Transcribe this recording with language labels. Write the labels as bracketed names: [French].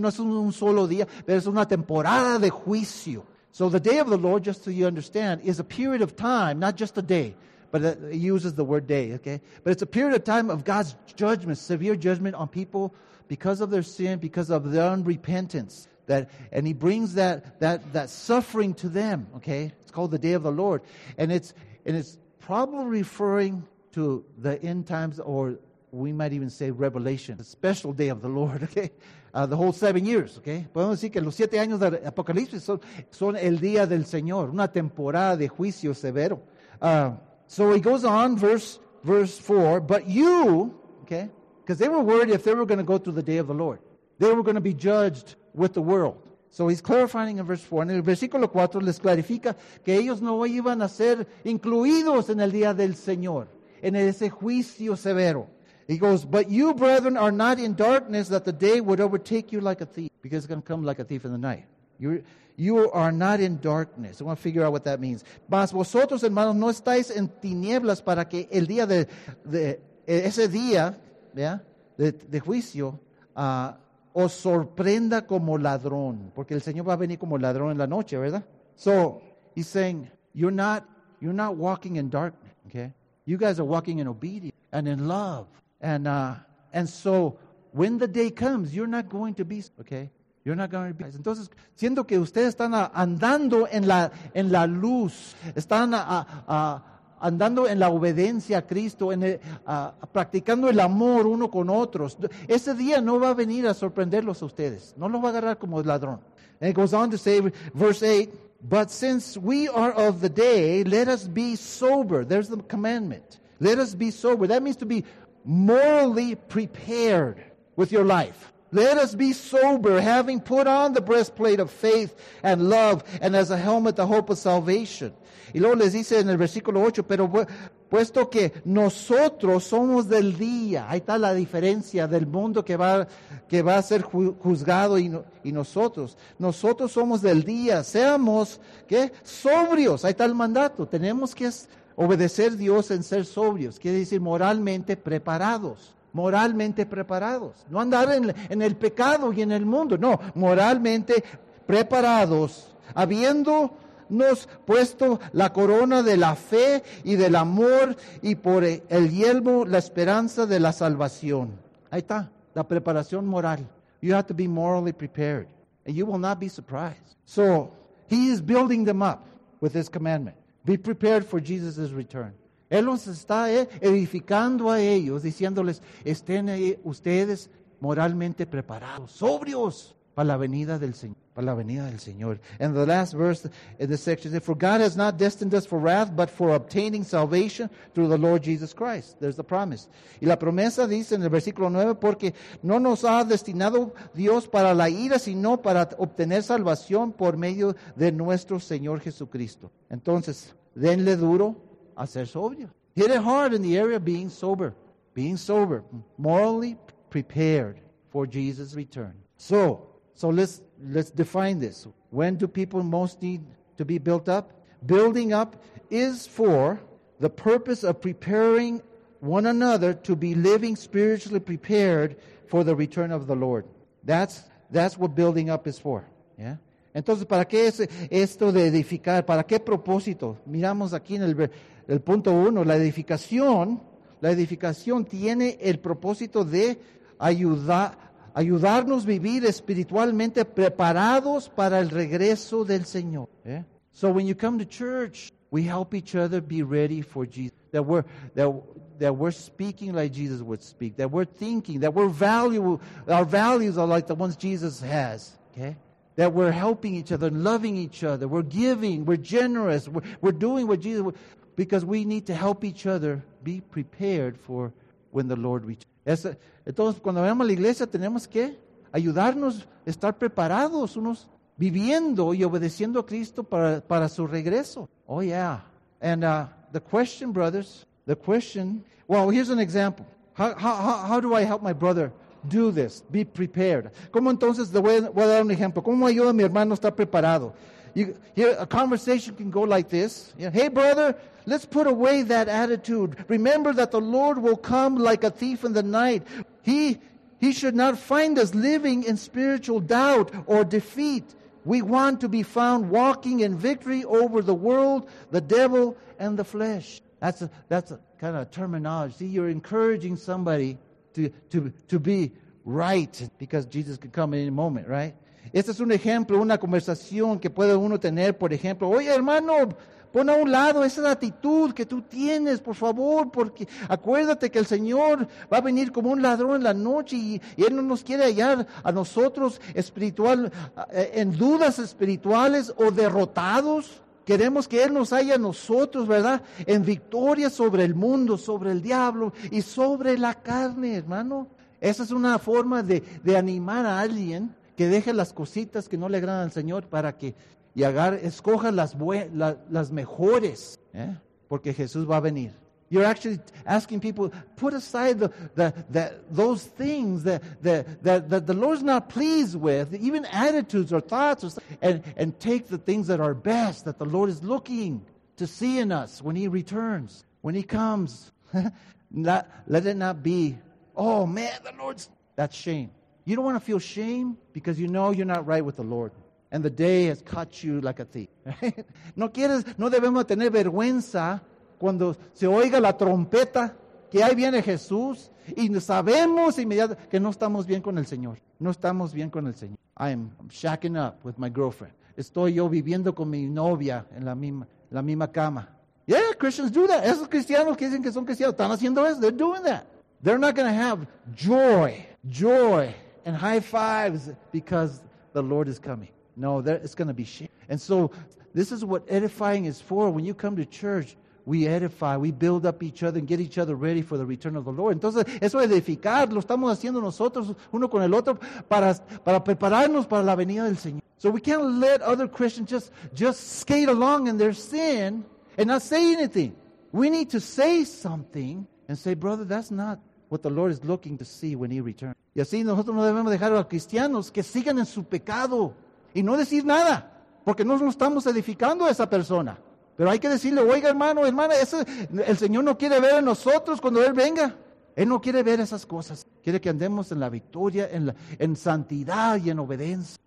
[Spanish] No es un solo día, pero es una temporada de juicio. [English] So the day of the Lord, just so you understand, is a period of time, not just a day, but it uses the word day, okay? But it's a period of time of God's judgment, severe judgment on people because of their sin, because of their unrepentance. And he brings that suffering to them, okay? It's called the day of the Lord. And it's probably referring to the end times, or we might even say Revelation, the special day of the Lord, okay? The whole 7 years, okay? [Spanish] Podemos decir que los 7 años de Apocalipsis son el día del Señor, una temporada de juicio severo. [English] So he goes on, verse 4, but you, okay? Because they were worried if they were going to go to the day of the Lord. They were going to be judged with the world. So he's clarifying in verse 4. [Spanish] En el versículo 4 les clarifica que ellos no iban a ser incluidos en el día del Señor, en ese juicio severo. [English] He goes, but you, brethren, are not in darkness that the day would overtake you like a thief. Because it's going to come like a thief in the night. You are not in darkness. I want to figure out what that means. [Spanish] Mas vosotros, hermanos, no estáis en tinieblas para que el día de ese día, yeah, de juicio, os sorprenda como ladrón. Porque el Señor va a venir como ladrón en la noche, ¿verdad? [English] So, he's saying, you're not walking in darkness, okay? You guys are walking in obedience and in love. And so, when the day comes, you're not going to be, okay? You're not going to be. [Spanish] Entonces, siento que ustedes están andando en la luz. Están andando en la obediencia a Cristo, practicando el amor uno con otros. Ese día no va a venir a sorprenderlos a ustedes. No los va a agarrar como el ladrón. [English] And it goes on to say, verse 8, but since we are of the day, let us be sober. There's the commandment. Let us be sober. That means to be morally prepared with your life. Let us be sober, having put on the breastplate of faith and love, and as a helmet the hope of salvation. [Spanish] Y luego les dice en el versículo 8, pero puesto que nosotros somos del día, ahí está la diferencia del mundo que va a ser juzgado y nosotros. Nosotros somos del día, seamos, ¿qué? Sobrios, ahí está el mandato, tenemos que obedecer a Dios en ser sobrios, quiere decir moralmente preparados. Moralmente preparados. No andar en el pecado y en el mundo. No, moralmente preparados. Habiéndonos puesto la corona de la fe y del amor y por el yelmo la esperanza de la salvación. Ahí está, la preparación moral. [English] You have to be morally prepared. And you will not be surprised. So, he is building them up with his commandment. Be prepared for Jesus' return. [Spanish] Él los está edificando a ellos, diciéndoles, estén ahí ustedes moralmente preparados, sobrios, para la venida del Señor, para la venida del Señor. [English] And the last verse in the section says, for God has not destined us for wrath, but for obtaining salvation through the Lord Jesus Christ. There's the promise. [Spanish] Y la promesa dice en el versículo 9, porque no nos ha destinado Dios para la ira, sino para obtener salvación por medio de nuestro Señor Jesucristo. Entonces, denle duro. A ser sobrio. [English] Hit it hard in the area of being sober. Being sober. Morally prepared for Jesus' return. So let's define this. When do people most need to be built up? Building up is for the purpose of preparing one another to be living spiritually prepared for the return of the Lord. That's what building up is for. Yeah? [Spanish] Entonces, ¿para qué es esto de edificar? ¿Para qué propósito? Miramos aquí en el punto uno, la edificación tiene el propósito de ayudarnos a vivir espiritualmente preparados para el regreso del Señor. [English] Yeah? So when you come to church, we help each other be ready for Jesus. That we're speaking like Jesus would speak. That we're thinking. That we're our values are like the ones Jesus has. Okay? That we're helping each other, loving each other. We're giving. We're generous. We're doing what Jesus would. Because we need to help each other be prepared for when the Lord returns. [Spanish] Entonces, cuando vamos a la iglesia, tenemos que ayudarnos, estar preparados, unos viviendo y obedeciendo a Cristo para su regreso. [English] Oh, yeah. And the question, brothers, The question, well, here's an example. How do I help my brother do this? Be prepared. [Spanish] ¿Cómo entonces le voy a dar un ejemplo? ¿Cómo ayudo a mi hermano a estar preparado? [English] A conversation can go like this. Hey, brother, let's put away that attitude. Remember that the Lord will come like a thief in the night. He should not find us living in spiritual doubt or defeat. We want to be found walking in victory over the world, the devil, and the flesh. That's a kind of terminology. See, you're encouraging somebody to be right because Jesus could come at any moment, right? [Spanish] Este es un ejemplo, una conversación que puede uno tener, por ejemplo. Oye, hermano, pon a un lado esa actitud que tú tienes, por favor, porque acuérdate que el Señor va a venir como un ladrón en la noche y Él no nos quiere hallar a nosotros espiritual, en dudas espirituales o derrotados. Queremos que Él nos haya a nosotros, ¿verdad? En victoria sobre el mundo, sobre el diablo y sobre la carne, hermano. Esa es una forma de animar a alguien que deje las cositas que no le agradan al Señor para que escoja las mejores, ¿eh? Porque Jesús va a venir. [English] You're actually asking people, put aside those things that the Lord's not pleased with, even attitudes or thoughts, and take the things that are best that the Lord is looking to see in us when He returns, when He comes. let it not be, oh man, the Lord's, that's shame. You don't want to feel shame because you know you're not right with the Lord. And the day has caught you like a thief. [Spanish] No quieres, no debemos tener vergüenza cuando se oiga la trompeta que ahí viene Jesús y sabemos inmediatamente que no estamos bien con el Señor. No estamos bien con el Señor. [English] I'm shacking up with my girlfriend. [Spanish] Estoy yo viviendo con mi novia en la misma cama. [English] Yeah, Christians do that. [Spanish] Esos cristianos que dicen que son cristianos están haciendo eso. [English] They're doing that. They're not going to have joy and high fives because the Lord is coming. No, it's going to be shame. And so this is what edifying is for. When you come to church, we edify, we build up each other and get each other ready for the return of the Lord. [Spanish] Entonces, eso es edificar, lo estamos haciendo nosotros, uno con el otro, para prepararnos para la venida del Señor. [English] So we can't let other Christians just skate along in their sin and not say anything. We need to say something and say, brother, that's not what the Lord is looking to see when He returns. [Spanish] Y así nosotros no debemos dejar a los cristianos que sigan en su pecado y no decir nada, porque no estamos edificando a esa persona. Pero hay que decirle, oiga, hermano, hermana, el Señor no quiere ver a nosotros cuando Él venga. Él no quiere ver esas cosas. Quiere que andemos en la victoria, en santidad y en obediencia.